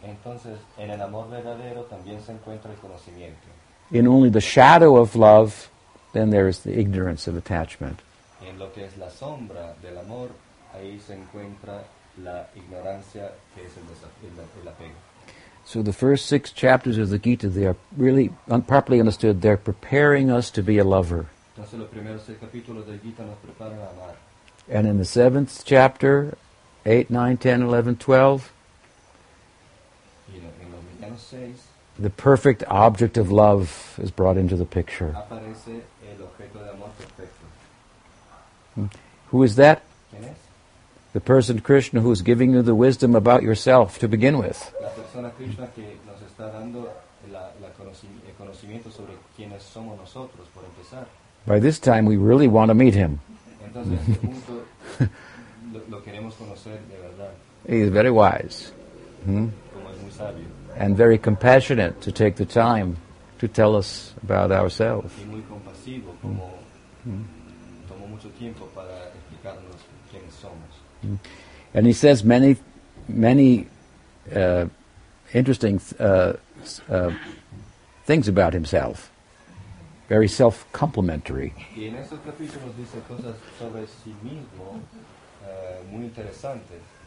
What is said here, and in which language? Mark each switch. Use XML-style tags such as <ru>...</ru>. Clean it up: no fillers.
<es>Entonces, en el amor verdadero también se encuentra el conocimiento.</es> <en>In only the shadow of love, then there is the ignorance of attachment.</en> <es>En lo que es la sombra del amor, ahí se encuentra la ignorancia que es el apego.</es> <en>So the first six chapters of the Gita, they are really, properly understood, they're preparing us to be a lover.</en> <es>Entonces, los primeros seis capítulos del Gita nos preparan a amar.</es> <en>And in the seventh chapter, 8, 9, 10, 11, 12,</en> <es>en los medianos seis,</es> <en>the perfect object of love is brought into the picture.</en> <es>Aparece el objeto de amor perfecto.</es> <en>Who is that?</en> <es>¿Quién es?</es> <en>The person Krishna who is giving you the wisdom about yourself to begin with.</en> <es>La persona Krishna que nos está dando el conocimiento sobre quiénes somos nosotros, por empezar.</es> <en>By this time we really want to meet him.</en> <es>Entonces, lo queremos conocer de verdad.</es> <en>He is very wise.</en> <es>Como es muy sabio.</es> <en>And very compassionate to take the time to tell us about ourselves. Y muy compasivo, como tomó mucho tiempo para explicarnos quiénes somos. And he says many interesting things about himself. very self-complimentary.</en> <es>Y en esos capítulos dice cosas sobre sí mismo, muy interesantes.</es>